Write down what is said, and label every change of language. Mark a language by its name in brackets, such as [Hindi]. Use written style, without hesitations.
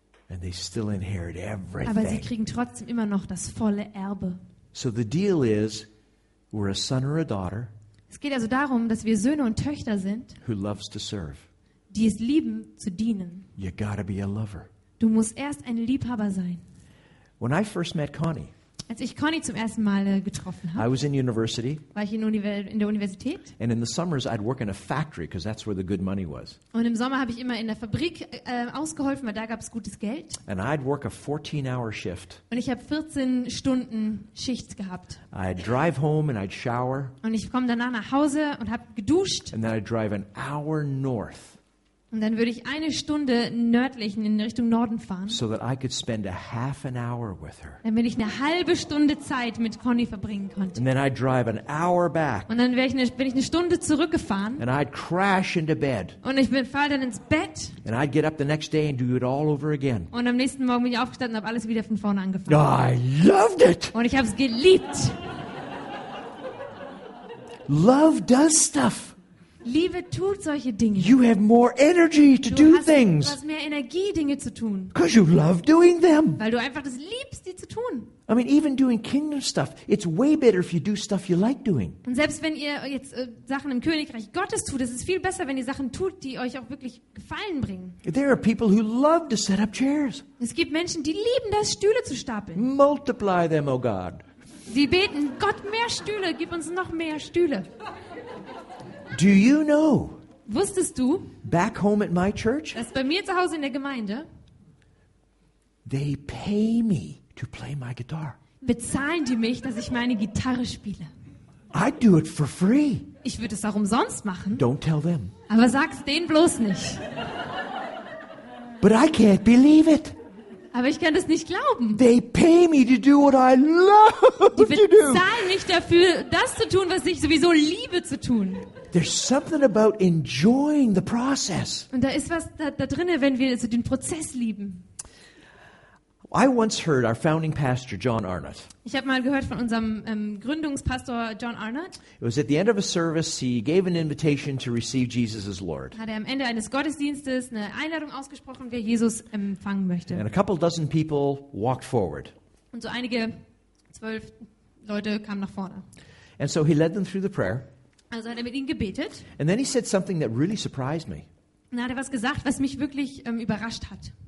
[English] And they still inherit everything. [German] Aber sie kriegen trotzdem immer noch das volle Erbe. [English] So the deal is, we're a son or a daughter. [German] Es geht also darum, dass wir Söhne und Töchter sind, [English] who loves to serve. [German] Die es lieben zu dienen. [English] You gotta be a lover. [German] Du musst erst ein Liebhaber sein. [English] When I first met Connie, [German] als ich Connie zum ersten Mal getroffen habe, [English] I was in university, [German] war ich in der Universität. [English] And in the summers I'd work in a factory, because that's where the good money was. [German] Und im Sommer habe ich immer in der Fabrik ausgeholfen, weil da gab es gutes Geld. [English] And I'd work a 14-hour shift. [German] Und ich habe 14 Stunden Schicht gehabt. [English] I'd drive home and I'd shower. [German] Und ich komme danach nach Hause und habe geduscht. [English] And then I'd drive an hour north. [German] Und dann würde ich eine Stunde nördlich in Richtung Norden fahren, [English] so that I could spend a half an hour with her. [German] Damit ich eine halbe Stunde Zeit mit Connie verbringen konnte. [English] And then I'd drive an hour back. [German] Und dann bin ich eine Stunde zurückgefahren. [English] And I'd crash into bed. [German] Und ich falle dann ins Bett. [English] And I'd get up the next day and do it all over again. [German] Und am nächsten Morgen bin ich aufgestanden und habe alles wieder von vorne angefangen. [English] Oh, I loved it. [German] Und ich habe es geliebt. [English] Love does stuff. [German] Liebe tut solche Dinge. [English] You have more energy to [German] du [English] do [German] hast, [English] things. [German] Du hast mehr Energie, Dinge zu tun. [English] Because you love doing them. [German] Weil du einfach das liebst, die zu tun. [English] I mean, even doing kingdom stuff, it's way better if you do stuff you like doing. [German] Und selbst wenn ihr jetzt Sachen im Königreich Gottes tut, es ist viel besser, wenn ihr Sachen tut, die euch auch wirklich Gefallen bringen. [English] There are people who love to set up chairs. [German] Es gibt Menschen, die lieben das, Stühle zu stapeln. [English] Multiply them, oh God. [German] Sie beten, Gott, mehr Stühle, gib uns noch mehr Stühle. [English] Do you know? [German] Wusstest du? [English] Back home at my church? [German] Dass bei mir zu Hause in der Gemeinde? [English] They pay me to play my guitar. [German] Bezahlen die mich, dass ich meine Gitarre spiele? [English] I'd do it for free. [German] Ich würde es auch umsonst machen. [English] Don't tell them. [German] Aber sag's denen bloß nicht. [English] But I can't believe it. [German] Aber ich kann das nicht glauben. [English] They pay me to do what I love to do. [German] Die bezahlen mich dafür, das zu tun, was ich sowieso liebe zu tun. [English] There's something about enjoying the process. [German] Und da ist was da drinne, wenn wir also den Prozess lieben. [English] I once heard our founding pastor John Arnott. [German] Ich habe mal gehört von unserem Gründungspastor John Arnott. [English] It was at the end of a service, he gave an invitation to receive Jesus as Lord. [German] Hat er am Ende eines Gottesdienstes eine Einladung ausgesprochen, wer Jesus empfangen möchte. [English] And a couple dozen people walked forward. [German] Und so einige 12 Leute kamen nach vorne. [English] And so he led them through the prayer. [German] Also hat er mit ihnen gebetet. [English] And then he said something that really surprised me. [German] Und dann hat er was gesagt, was mich wirklich überrascht hat.